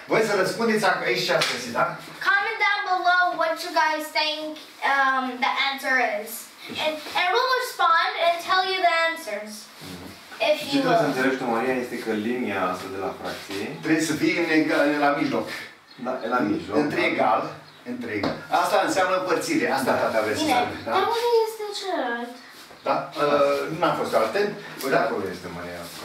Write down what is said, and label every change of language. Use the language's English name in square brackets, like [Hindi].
[Romanian] Voi să răspundeți aici ce ați găsit, da? [English] Comment down below what you guys think the answer is. And we'll respond and tell you the answers. If you [Romanian] will. Ce trebuie să înțelegi tu, Maria, este că linia asta de la fracție... Trebuie să fie la mijloc. La mijloc. Între egal. Între egal. Asta înseamnă împărțire. Asta tata vezi. Bine, dar unde este celălalt? Da? N-am fost atent. Păi da, acolo este, Maria.